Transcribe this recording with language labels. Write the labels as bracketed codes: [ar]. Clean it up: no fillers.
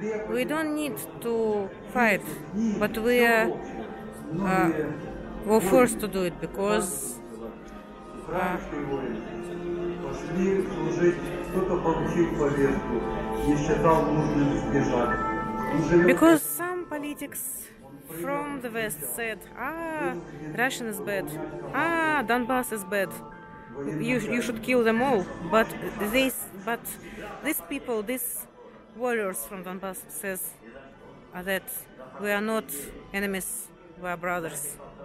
[en] We don't need to fight, but we are were forced to do it because [ru] пошли служить, кто-то получил повестку, не считал нужным сбежать. [en] Because some politics from the West said, Russian is bad, Donbass is bad. You should kill them all. But these people, these warriors from Donbass says that we are not enemies, we are brothers.